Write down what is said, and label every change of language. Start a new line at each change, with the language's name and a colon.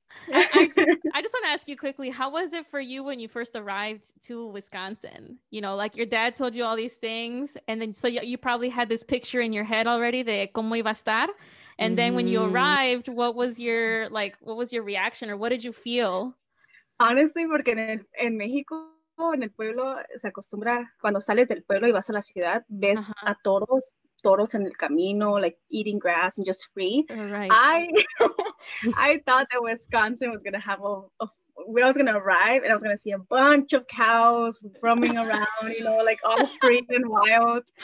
English: I just want to ask you quickly, how was it for you when you first arrived to Wisconsin? You know, like, your dad told you all these things, and then so you probably had this picture in your head already
Spanish: de cómo iba a estar,
English: and then when you arrived, what was your, like, what was your reaction, or what did you feel?
Spanish: Honestly, porque en México, en el pueblo, se acostumbra, cuando sales del pueblo y vas a la ciudad, ves a todos. Toros en el camino,
English: like eating grass and just free. Right. I thought that Wisconsin was gonna have I was gonna arrive and I was gonna see a bunch of cows roaming around, you know, like all free and wild.